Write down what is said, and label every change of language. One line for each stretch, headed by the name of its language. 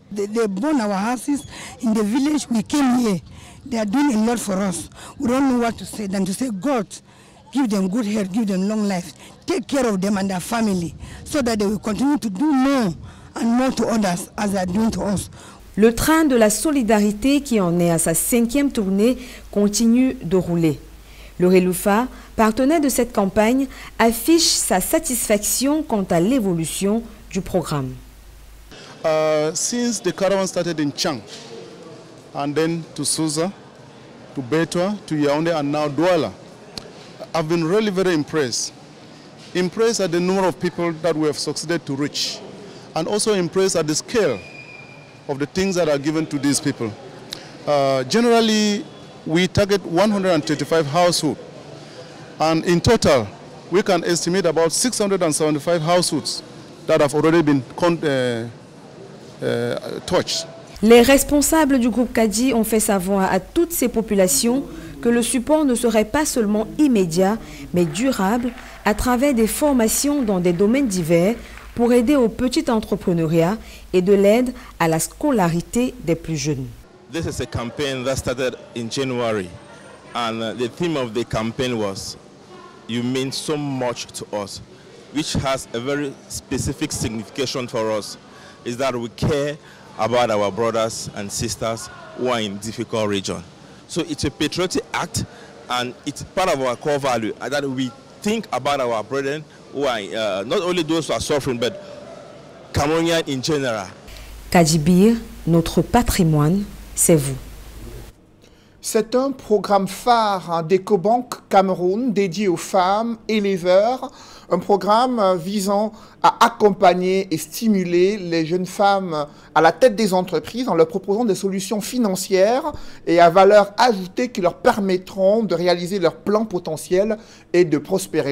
English: They burn our houses in the village we came here. They are doing a lot for us. We don't know what to say than to say, God, give them good health, give them long life, take care of them and their family, so that they will continue to do more and more to others as they are doing to us.
French: Le train de la solidarité qui en est à sa cinquième tournée continue de rouler. Le Reloufa, partenaire de cette campagne, affiche sa satisfaction quant à l'évolution du programme.
English: Since the caravan started in Chang, and then to Souza, to Betwa, to Yaoundé, and now Douala, I've been really very impressed. Impressed at the number of people that we have succeeded to reach, and also impressed at the scale of the things that are given to these people. Generally, we target 135 households, and in total, we can estimate about 675 households that have already been touched.
French: Les responsables du groupe Kadi ont fait savoir à toutes ces populations que le support ne serait pas seulement immédiat, mais durable, à travers des formations dans des domaines divers pour aider au petit entrepreneuriat et de l'aide à la scolarité des plus jeunes.
English: This is a campaign that started in January, and the theme of the campaign was "You mean so much to us," which has a very specific signification for us, is that we care about our brothers and sisters who are in difficult region. So it's a patriotic act, and it's part of our core value that we think about our brethren who are not only those who are suffering, but Cameroonians in general.
French: Kadibir, notre patrimoine, c'est vous. C'est un programme phare d'EcoBank Cameroun dédié aux femmes éleveurs, un programme visant à accompagner et stimuler les jeunes femmes à la tête des entreprises en leur proposant des solutions financières et à valeur ajoutée qui leur permettront de réaliser leur plan potentiel et de prospérer.